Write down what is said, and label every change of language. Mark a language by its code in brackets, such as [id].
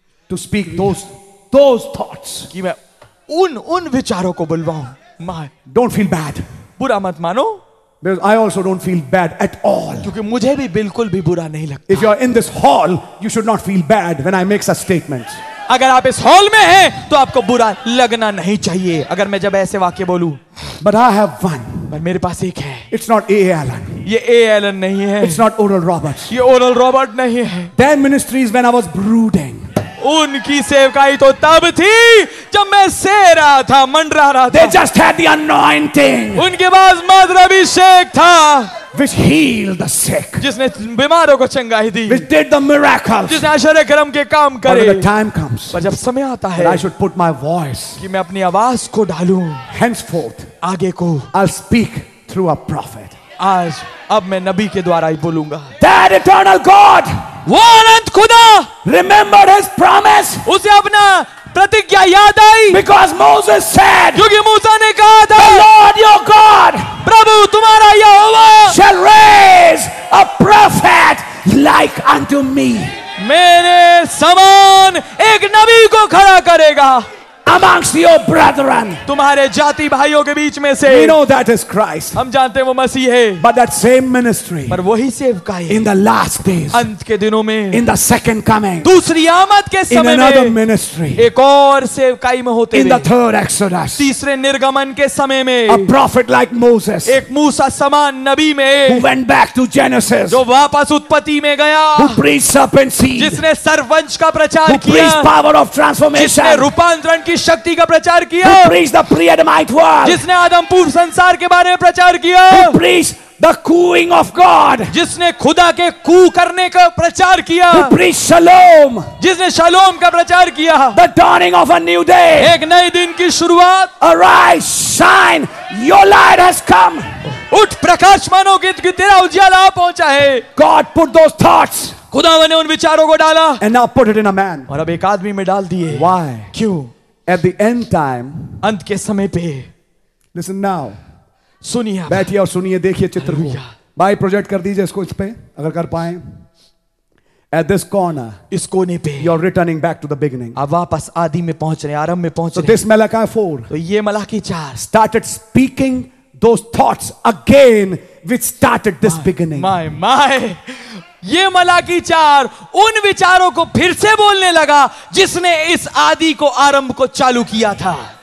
[en] To speak those thoughts. [hi] कि मैं उन विचारों को बुलवाऊं. [en] My. Don't feel bad. [hi] बुरा मत मानो. [en] Because I also don't feel bad at all. [hi] क्योंकि मुझे भी बिल्कुल भी बुरा नहीं लगता. [en] If you're in this hall, you should not feel bad when I make such statements. [hi] अगर आप इस हॉल में हैं, तो आपको बुरा लगना नहीं चाहिए. अगर मैं जब ऐसे वाक्य बोलूं. [en] But I have one. [hi] पर मेरे पास एक है. [en] It's not A. Allen. [hi] ये A. Allen नहीं है. [en] It's not Oral Roberts. [hi] ये Oral Roberts नहीं है. [en] Their ministry is when I was brooding. [hi] उनकी सेवकाई तो तब थी जब मैं से रहा था मंडरा रहा था. [en] They just had the anointing. [hi] उनके पास मात्र अभिषेक था. [en] Which healed the sick. [hi] जिसने बीमारों को चंगाई दी. [en] Which did the miracles. [hi] जिसने आश्चर्य कर्म के काम करे. [en] But when the time comes, [hi] पर जब समय आता है, [en] I should put my voice. [hi] कि मैं अपनी आवाज को डालूं. [en] Henceforth, [hi] आगे को, [en] I'll speak through a prophet. [hi] आज अब मैं नबी के द्वारा ही बोलूंगा. [en] That eternal God, [hi] वो अनंत खुदा, [en] remembered his promise. [hi] उसे अपना प्रतिज्ञा याद आई. [en] Because Moses said, [hi] क्योंकि मूसा ने कहा था, [en] the Lord your God, [hi] प्रभु तुम्हारा यहोवा, [en] shall raise a prophet like unto me. [hi] मेरे समान एक नबी को खड़ा करेगा. [en] Amongst your brethren, [hi] तुम्हारे जाति भाइयों के बीच में से, [en] we know that is Christ. [hi] हम जानते हैं वो मसीह है. [en] But that same ministry, [hi] पर वही सेवकाई, [en] in the last days, [hi] अंत के दिनों में, [en] in the second coming, [hi] दूसरी आमद के समय में, [en] in another ministry, [hi] एक और सेवकाई में होते, [en] in the third exodus, [hi] तीसरे निर्गमन के समय में, [en] a prophet like Moses, [hi] एक मूसा समान नबी में, [en] who went back to Genesis, [hi] जो वापस उत्पत्ति में गया, [en] who preached serpent seed, [hi] जिसने सर्पवंश का प्रचार किया, [en] who preached power of transformation, [hi] जिसने रूपांतरण की शक्ति का प्रचार किया, [en] who preached the pre-Adamite world, [hi] जिसने आदम पूर्व संसार के बारे में प्रचार किया, [en] who preached the cooing of God, [hi] जिसने खुदा के कू करने का प्रचार किया, [en] who preached shalom, [hi] जिसने शालोम का प्रचार किया, [en] the dawning of a new day, [hi] एक नए दिन की शुरुआत, [en] arise shine your light has come, [hi] उठ प्रकाश मानो कि तेरा उजाला पहुंचा है. [en] God put those thoughts, [hi] खुदा ने उन विचारों को डाला, [en] and now put it in a man, [hi] और अब एक आदमी में डाल दिए. [en] Why? [hi] क्यों? [en] At the end time, [hi] अंत के समय पे, [en] listen now, [hi] सुनिए, बैठिए और सुनिए, देखिए चित्र को, भाई प्रोजेक्ट कर दीजिए इसको इस पे, अगर कर पाए. [en] At this corner, [hi] इस कोने पे, [en] you're returning back to the beginning. [hi] आप वापस आदि में पहुंच रहे, आरंभ में पहुंच रहे. [en] So this Malachi 4, [hi] तो ये Malachi 4, [en] started speaking those thoughts again, which started this my, beginning. My, my. [hi] ये मलाकी 4 उन विचारों को फिर से बोलने लगा जिसने इस आदि को आरंभ को चालू किया था.